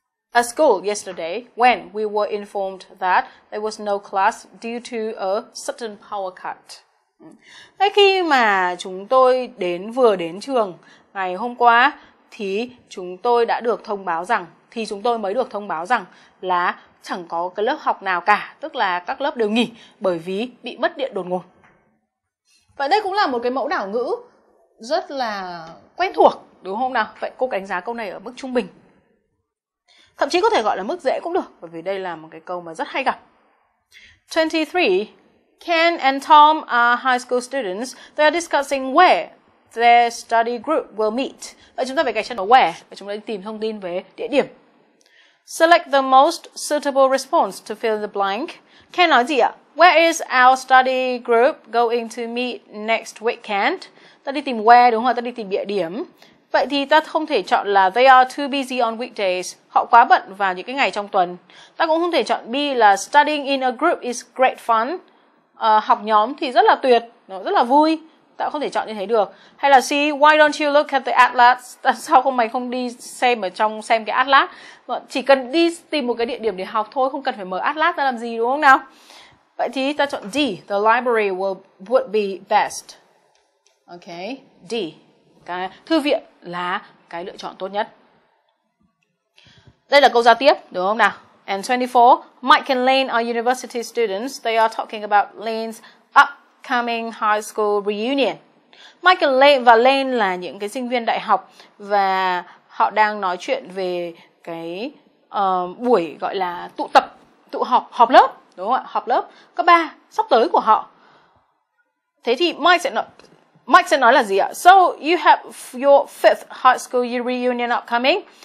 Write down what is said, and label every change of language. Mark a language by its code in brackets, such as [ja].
[en] A school yesterday when we were informed that there was no class due to a sudden power cut. [vi] Ngay khi mà chúng tôi vừa đến trường ngày hôm qua thì chúng tôi mới được thông báo rằng là chẳng có cái lớp học nào cả, tức là các lớp đều nghỉ bởi vì bị mất điện đột ngột. Và đây cũng là một cái mẫu đảo ngữ rất là quen thuộc đúng không nào? Vậy cô đánh giá câu này ở mức trung bình. Thậm chí có thể gọi là mức dễ cũng được, bởi vì đây là một cái câu mà rất hay gặp. [en] 23. Ken and Tom are high school students. They are discussing where their study group will meet. [vi] Vậy chúng ta phải gạch chân ở where, và chúng ta đi tìm thông tin về địa điểm. [en] Select the most suitable response to fill the blank. [vi] Ken nói gì ạ? [en] Where is our study group going to meet next weekend? [vi] Ta đi tìm where đúng không? Ta đi tìm địa điểm. Vậy thì ta không thể chọn là [en] they are too busy on weekdays. [vi] Họ quá bận vào những cái ngày trong tuần. Ta cũng không thể chọn B là [en] studying in a group is great fun. [vi] Học nhóm thì rất là tuyệt, nó rất là vui. Ta không thể chọn như thế được. Hay là C, [en] why don't you look at the atlas? [vi] Ta sao không mày không đi xem ở trong xem cái atlas? Chỉ cần đi tìm một cái địa điểm để học thôi, không cần phải mở atlas ra làm gì đúng không nào? Vậy thì ta chọn D, [en] the library would be best. [vi] Ok, D, cái thư viện là cái lựa chọn tốt nhất. Đây là câu giao tiếp, đúng không nào? [en] And 24, Mike and Lane are university students. They are talking about Lane's upcoming high school reunion. [vi] Mike and Lane và Lane là những cái sinh viên đại học và họ đang nói chuyện về cái buổi gọi là tụ tập, tụ họp, họp lớp. Đúng không ạ? Họp lớp cấp 3 sắp tới của họ. Thế thì Mike sẽ nói là gì ạ? [en] So you have your fifth high school reunion upcoming.